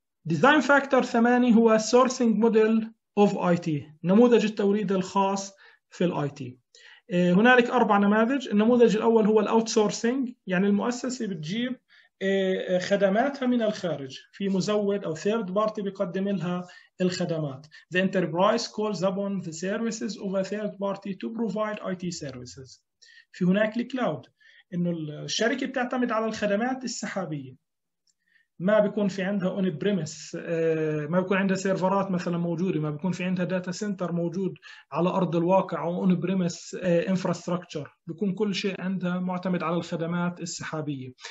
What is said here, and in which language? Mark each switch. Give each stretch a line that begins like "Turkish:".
Arabic: ديزاين فاكتور ثماني هو سورسينج موديل اوف اي تي، نموذج التوريد الخاص في الاي تي. هنالك اربع نماذج. النموذج الاول هو الاوت سورسينج، يعني المؤسسه بتجيب خدماتها من الخارج، في مزود او ثيرد بارتي بيقدم لها الخدمات.
English: The enterprise calls upon the services of a third party to provide IT services.
Arabic: في هناك الكلاود، انه الشركه بتعتمد على الخدمات السحابيه، ما بيكون في عندها اون بريمس، ما بيكون عندها سيرفرات مثلا موجوده، ما بيكون في عندها داتا سنتر موجود على ارض الواقع او اون بريمس انفراستراكشر، بيكون كل شيء عندها معتمد على الخدمات السحابيه.